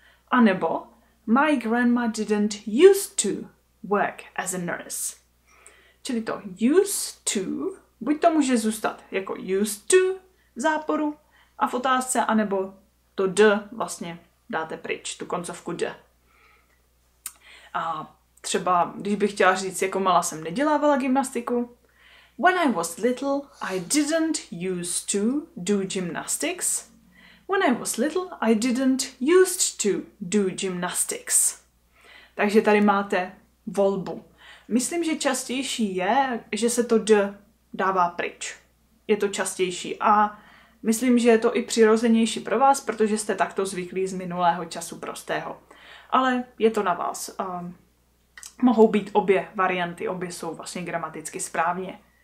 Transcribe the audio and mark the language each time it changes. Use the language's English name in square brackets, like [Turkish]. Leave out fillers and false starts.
[Czech] A nebo: [English] My grandma didn't use to work as a nurse. [Czech] Čili to use to buď to může zůstat jako used to v záporu a v otázce, anebo to d vlastně dáte pryč, tu koncovku d. A třeba, když bych chtěla říct, jako malá jsem nedělávala gymnastiku. [English] When I was little, I didn't use to do gymnastics. When I was little, I didn't used to do gymnastics. [Czech] Takže tady máte volbu. Myslím, že častější je, že se to d dává pryč. Je to častější a myslím, že je to i přirozenější pro vás, protože jste takto zvyklí z minulého času prostého. Ale je to na vás. Mohou být obě varianty, obě jsou vlastně gramaticky správně.